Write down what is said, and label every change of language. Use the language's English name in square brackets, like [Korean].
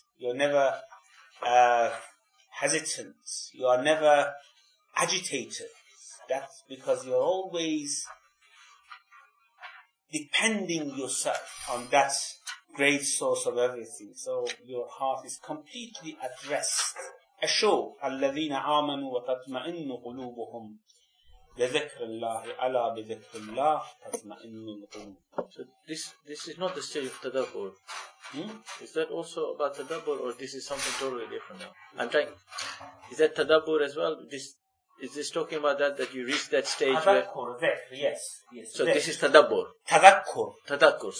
[English] You are never hesitant. You are never agitated. That's because you are always depending yourself on that great source of everything. So your heart is completely at rest. [Arabic] أشو الذين آمنوا وتطمئن قلوبهم لذكر الله ألا بذكر الله تطمئن القلوب. [English] So this is not the state of tadabbur. Is that also about tadabbur, or this is something totally different now? I'm trying. Is that tadabbur as well? Is this talking about that you reach that stage? Tadakkur, dhikr, yes. So this is tadabbur. Tadakkur,